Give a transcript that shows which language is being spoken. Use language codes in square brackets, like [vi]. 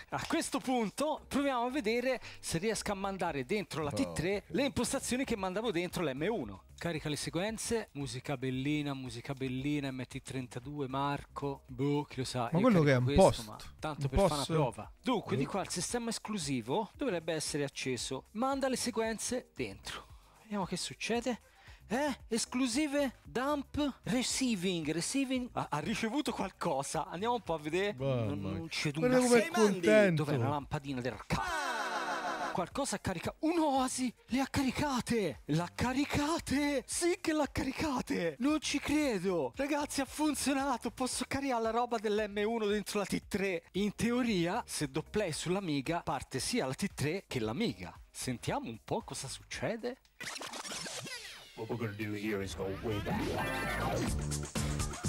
[it] A questo punto proviamo a vedere se riesco a mandare dentro la T3 le impostazioni che mandavo dentro l'M1. Carica le sequenze, musica bellina, MT32, Marco, boh, chi lo sa. Ma quello che è un post. Tanto per fare una prova. Dunque, di qua il sistema esclusivo dovrebbe essere acceso. Manda le sequenze dentro. Vediamo che succede. Esclusive, dump, receiving. Ha ricevuto qualcosa. Andiamo un po' a vedere. Non c'è dubbio. Ma come è, dov'è la lampadina del cazzo? Qualcosa ha caricato. Un'oasi! Le ha caricate! L'ha caricate! Sì che l'ha caricate! Non ci credo! Ragazzi, ha funzionato! Posso caricare la roba dell'M1 dentro la T3. In teoria, se do play sull'Amiga, parte sia la T3 che l'Amiga. Sentiamo un po' cosa succede. [en] What we're gonna do here is go way back.